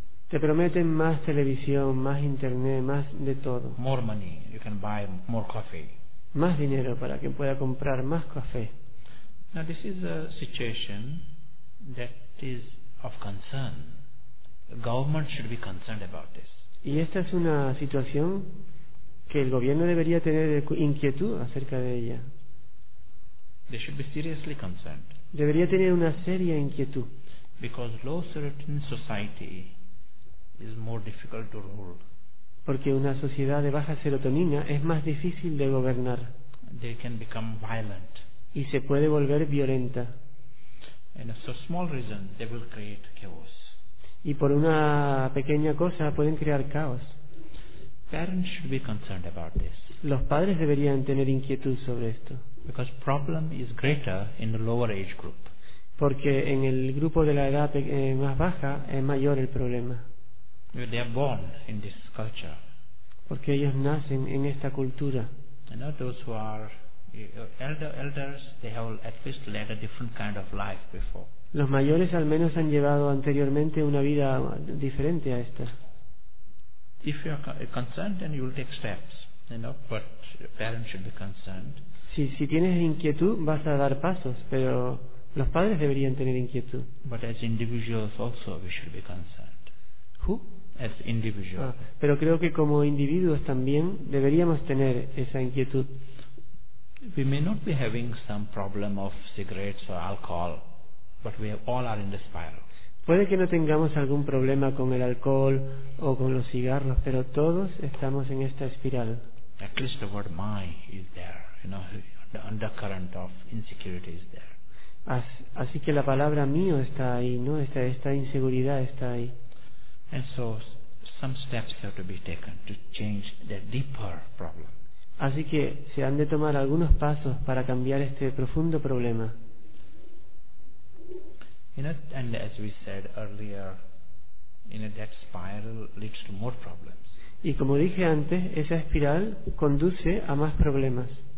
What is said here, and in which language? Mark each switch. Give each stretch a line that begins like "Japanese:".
Spanish: Te prometen más televisión, más internet, más de todo.
English: More money, you can buy more coffee.
Spanish: Más dinero para que pueda comprar más café.
English: Now this is a situation that is of concern. The government should be concerned about this.
Spanish: Y esta es una situación que el gobierno debería tener inquietud acerca de ella.
English: They should be seriously concerned.
Spanish: Debería tener una seria inquietud.
English: Because low serotonin society is more difficult to rule.
Spanish: Porque una sociedad de baja serotonina es más difícil de gobernar.
English: They can become violent.
Spanish: Y se puede volver violenta.
English: And so small reason they will create chaos.
Spanish: Y por una pequeña cosa pueden crear caos.
English: Parents should be concerned about this.
Spanish: Los padres deberían tener inquietud sobre esto.
English: Because problem is greater in the lower age group.
Spanish: Porque en el grupo de la edad más baja es mayor el problema.
English: They are born in this culture.
Spanish: Porque ellos nacen en esta cultura.
English: You know, those who are elders, they have at least led a different kind of life before.
Spanish: Los mayores al menos han llevado anteriormente una vida diferente a esta.
English: If you are concerned, then you will take steps. You know, but parents should be concerned.
Spanish: Si tienes inquietud, vas a dar pasos, pero los padres deberían tener inquietud.
English: But as individuals also, we should be concerned. Who? as individual.
Spanish: Ah, pero creo que como individuos también deberíamos tener esa inquietud.
English: We may not be having some problem of cigarettes or alcohol, but we all are in the spiral.
Spanish: Puede que no tengamos algún problema con el alcohol o con los cigarros, pero todos estamos en esta espiral.
English: At least the word "my" is there, you know, the undercurrent of insecurity is there.
Spanish: Así que la palabra mío está ahí, ¿no? Esta inseguridad está ahí.
English: And so some steps have to be taken to change the deeper problem.
Spanish: Así que se han de tomar algunos pasos para cambiar este profundo problema.
English: You know, and as we said earlier, you know, that spiral leads to more problems.
Spanish: Y como dije antes, esa espiral conduce a más problemas.